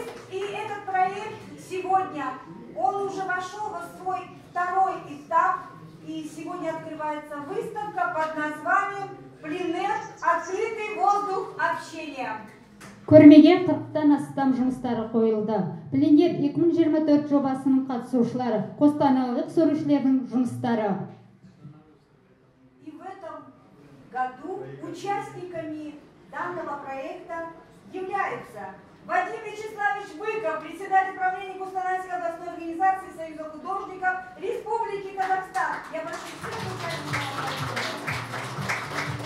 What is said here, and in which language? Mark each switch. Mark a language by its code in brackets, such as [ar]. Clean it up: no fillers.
[ru] И этот проект сегодня, он уже вошел во свой второй этап, и сегодня открывается выставка под названием «Пленэр. Открытый воздух общения». [kk] Көрмеге 40-тан астам жұмыстары қойылды. Пленэр 2024 жобасының қатысушылары, қостанайлық сөрушілердің жұмыстары. [ru] И в этом году участниками данного проекта являются Вадим Вячеславович Быков, председатель правления Кустанайской областной организации Союза художников Республики Казахстан. Я прошу всех участников.